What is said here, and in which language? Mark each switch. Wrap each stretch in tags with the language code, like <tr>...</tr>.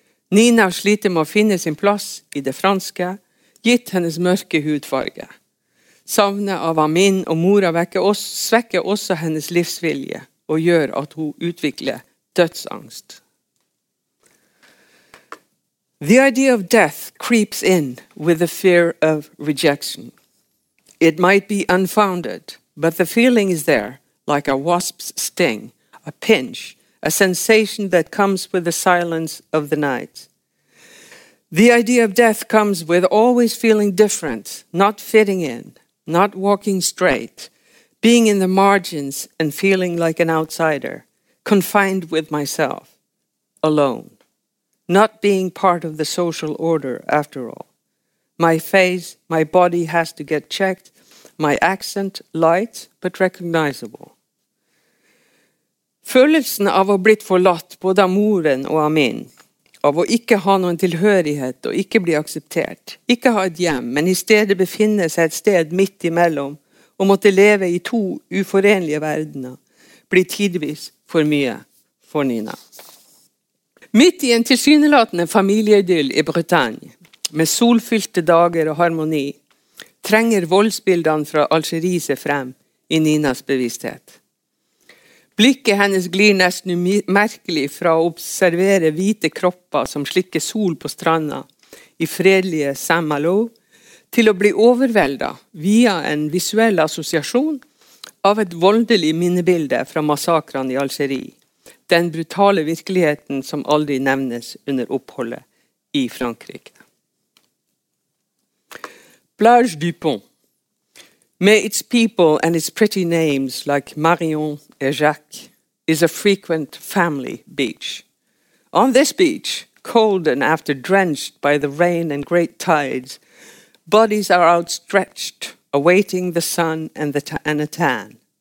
<no>Nina sliter med å finne sin plass I det franske, gitt hennes mørke hudfarge. Savnet av Amin og mora svekker også hennes livsvilje og gjør at hun utvikler dødsangst.</no> <en>The idea of death creeps in with the fear of rejection. It might be unfounded, but the feeling is there, like a wasp's sting, a pinch, a sensation that comes with the silence of the night. The idea of death comes with always feeling different, not fitting in, not walking straight, being in the margins and feeling like an outsider, confined with myself, alone, not being part of the social order after all. My face, my body has to get checked, my accent light but recognizable.</en> <no>Følelsen av å bli forlatt både av moren og av min, av å ikke ha noen tilhørighet og ikke bli akseptert, ikke ha et hjem, men I stedet befinne seg et sted midt imellom, og måtte leve I to uforenlige verdener, blir tidvis for mye for Nina. Midt I en tilsynelatende familieidyll I Bretagne, med solfylte dager og harmoni, trenger voldsbildene fra Algeri seg frem I Ninas bevissthet. Blikket hennes glir nesten umerkelig fra å observere hvite kropper som slikker sol på stranda I fredelige Saint-Malo, til å bli overveldet via en visuell assosiasjon av et voldelig minnebilde fra massakrene I Algeri, den brutale virkeligheten som aldri nevnes under oppholdet I Frankrike.</no> <en>Plage du Pont, med its people and its pretty names like Marion et Jacques, is a frequent family beach. On this beach, cold and after drenched by the rain and great tides, bodies are outstretched, awaiting the sun and a tan.</en>